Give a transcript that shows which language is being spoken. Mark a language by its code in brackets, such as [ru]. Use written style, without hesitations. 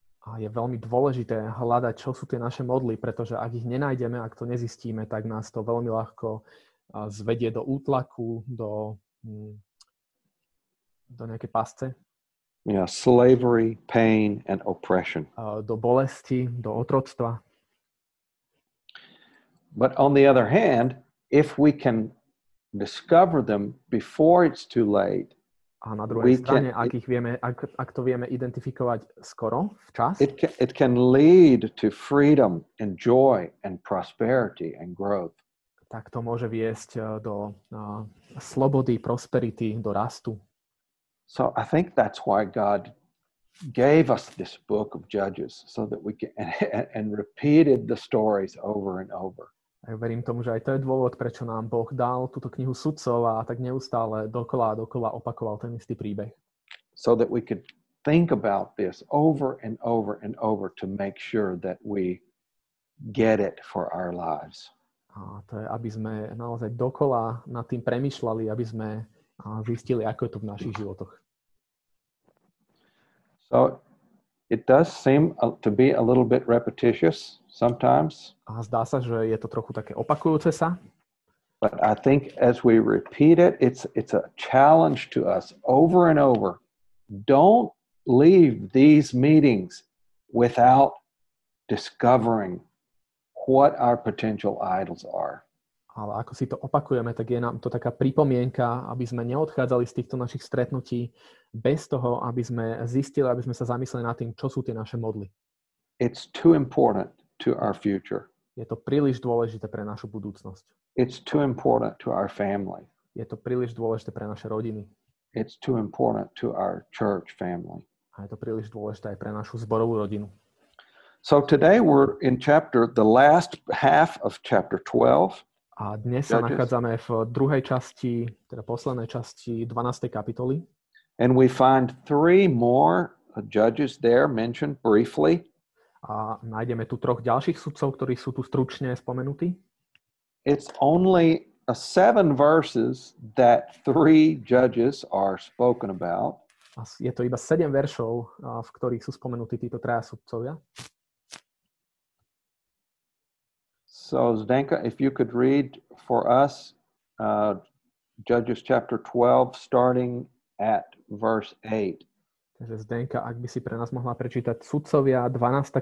[sk] A je veľmi dôležité hľadať, čo sú tie naše modly, pretože ak ich nenájdeme, ak to nezistíme, tak nás to veľmi ľahko zvedie do útlaku, do nejakej pasce. [en] You know, slavery, pain and oppression. [sk] Do bolesti, do otroctva. [en] But on the other hand, if we can discover them before it's too late, [sk] a na druhej strane, ak ich vieme, ak to vieme identifikovať skoro, včas, [en] it can lead to freedom and joy and prosperity and growth. [sk] Tak to môže viesť do slobody, prosperity, do rastu. [en] So I think that's why God gave us this book of Judges, so that we can and repeated the stories over and over. [sk] A ja verím tomu, že aj to je dôvod, prečo nám Boh dal túto knihu sudcov a tak neustále dokola a dokola opakoval ten istý príbeh. [en] So that we could think about this over and over and over to make sure that we get it for our lives. [sk] A to je, aby sme naozaj dokola nad tým premýšľali, aby sme zistili, ako je to v našich životoch. [en] So it does seem to be a little bit repetitious sometimes. [sk] A zdá sa, že je to trochu také opakujúce sa. [en] But I think as we repeat it, it's a challenge to us over and over. Don't leave these meetings without discovering what our potential idols are. [sk] Ale ako si to opakujeme, tak je nám to taká pripomienka, aby sme neodchádzali z týchto našich stretnutí bez toho, aby sme zistili, aby sme sa zamysleli nad tým, čo sú tie naše modly. [en] It's too important to our future. [sk] Je to príliš dôležité pre našu budúcnosť. [en] It's too important to our family. [sk] Je to príliš dôležité pre naše rodiny. [en] It's too important to our church family. [sk] A je to príliš dôležité aj pre našu zborovú rodinu. [en] So today we're in chapter, the last half of chapter 12. [sk] A dnes sa nachádzame v druhej časti, teda poslednej časti 12. kapitoly. [en] And we find three more judges there mentioned briefly. [sk] A nájdeme tu troch ďalších sudcov, ktorí sú tu stručne spomenutí. [en] It's only a 7 verses that three judges are spoken about. [sk] A je to iba 7 veršov, v ktorých sú spomenutí títo traja sudcovia. [en] So Zdenka, if you could read for us Judges chapter 12 starting at verse 8. [sk] Takže Zdenka, ak by si pre nás mohla prečítať Sudcovia 12.